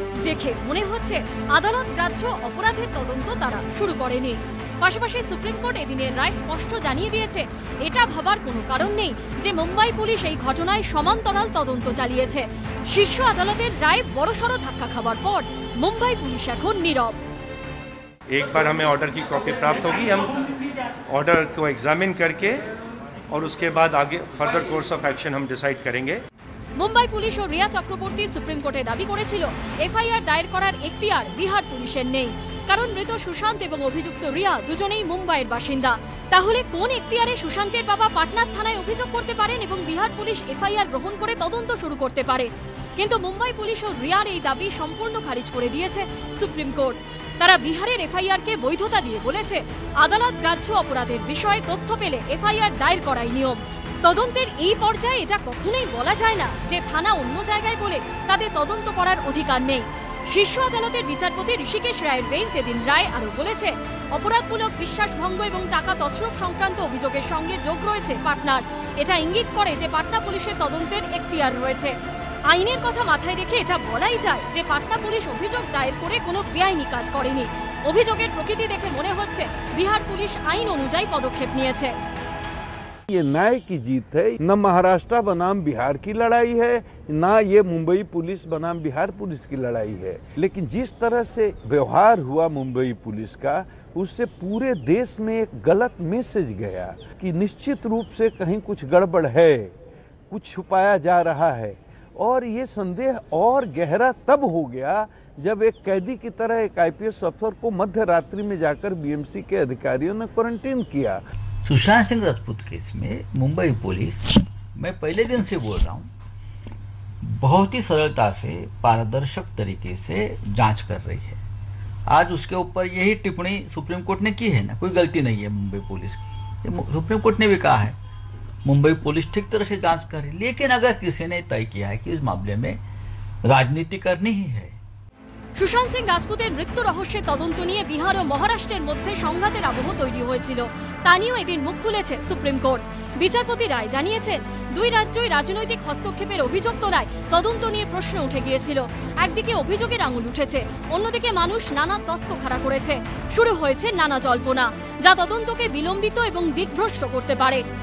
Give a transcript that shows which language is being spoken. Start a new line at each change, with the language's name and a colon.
Bangla: দেখে মনে হচ্ছে আদালত গ্রাহ্য অপরাধের তদন্ত তারা শুরু করেনি। পাশাপাশি সুপ্রিম কোর্ট এদিনের রায় স্পষ্ট জানিয়ে দিয়েছে, এটা ভাবার কোনো কারণ নেই যে মুম্বাই পুলিশ এই ঘটনায় সমান্তরাল তদন্ত চালিয়েছে। শীর্ষ আদালতের রায় বড়সড় ধাক্কা খাবার পর মুম্বাই পুলিশ এখন নীরব।
Hindi: एक बार हमें ऑर्डर की कॉपी प्राप्त होगी, हम ऑर्डर को एग्जामिन करके और उसके बाद आगे फर्दर कोर्स ऑफ एक्शन हम डिसाइड करेंगे।
Bangla: মুম্বাই পুলিশ ও রিয়া চক্রবর্তী সুপ্রিম কোর্টে দাবি করেছিল এফআইআর দায়ের করার এখতিয়ার বিহার পুলিশের নেই, কারণ মৃত সুশান্ত এবং অভিযুক্ত রিয়া দুজনেই মুম্বাইয়ের বাসিন্দা। তাহলে কোন এখতিয়ারে সুশান্তের বাবা পাটনার থানায় অভিযোগ করতে পারেন এবং বিহার পুলিশ এফআইআর গ্রহণ করে তদন্ত শুরু করতে পারে? কিন্তু মুম্বাই পুলিশ ও রিয়ার এই দাবি সম্পূর্ণ খারিজ করে দিয়েছে সুপ্রিম কোর্ট। তারা বিহারের এফআইআর কে বৈধতা দিয়ে বলেছে আদালত গ্রাহ্য অপরাধের বিষয়ে তথ্য পেলে এফআইআর দায়ের করাই নিয়ম। তদন্তের এই পর্যায়ে এটা কখনোই বলা যায় না যে থানা অন্য জায়গায় বলে তাদের তদন্ত করার অধিকার নেই। শীর্ষ আদালতের বিচারপতি ঋষিকেশ রায়ের বেঞ্চ এদিন রায় আরো বলেছে, অপরাধমূলক বিশ্বাসভঙ্গ এবং টাকা তছরূপ সংক্রান্ত অভিযোগের সঙ্গে যোগ রয়েছে পাটনার। এটা ইঙ্গিত করে যে পাটনা পুলিশের তদন্তের এখতিয়ার রয়েছে। আইনের কথা মাথায় রেখে এটা বলাই যায় যে পাটনা পুলিশ অভিযোগ দায়ের করে কোনো বেআইনি কাজ করেনি। অভিযোগের প্রকৃতি দেখে মনে হচ্ছে বিহার পুলিশ আইন অনুযায়ী পদক্ষেপ নিয়েছে।
Hindi: ये न्याय की जीत है, न महाराष्ट्र बनाम बिहार की लड़ाई है, न ये मुंबई पुलिस बनाम बिहार पुलिस की लड़ाई है। लेकिन जिस तरह से व्यवहार हुआ मुंबई पुलिस का, उससे पूरे देश में एक गलत मैसेज गया कि निश्चित रूप से कहीं कुछ गड़बड़ है, कुछ छुपाया जा रहा है। और ये संदेह और गहरा तब हो गया जब एक कैदी की तरह एक आईपीएस अफसर को मध्य रात्रि में जाकर बीएमसी के अधिकारियों ने क्वारंटीन किया। सुशांत सिंह राजपूत केस में मुंबई पुलिस, मैं पहले दिन से बोल रहा हूँ, बहुत ही सरलता से पारदर्शक तरीके से जांच कर रही है। आज उसके ऊपर यही टिप्पणी सुप्रीम कोर्ट ने की है ना, कोई गलती नहीं है मुंबई पुलिस की। सुप्रीम कोर्ट ने भी कहा है मुंबई पुलिस ठीक तरह से जांच कर रही है, लेकिन अगर किसी ने तय किया है कि इस मामले में राजनीति करनी ही है।
Bangla: সুশান্ত সিং রাজপুতের মৃত্যু রহস্যের তদন্ত নিয়ে বিহার ও মহারাষ্ট্রের মধ্যে সংঘাতের আবহ তৈরি হয়েছিল, তা নিয়েও এদিন মুখ খুলেছে সুপ্রিম কোর্ট। বিচারপতি রায় জানিয়েছেন, দুই রাজ্যই রাজনৈতিক হস্তক্ষেপের অভিযোগ তোলায় তদন্ত নিয়ে প্রশ্ন উঠে গিয়েছিল। একদিকে অভিযোগের আঙুল উঠেছে, অন্যদিকে মানুষ নানা তত্ত্ব খাড়া করেছে, শুরু হয়েছে নানা জল্পনা যা তদন্তকে বিলম্বিত এবং দিকভ্রষ্ট করতে পারে।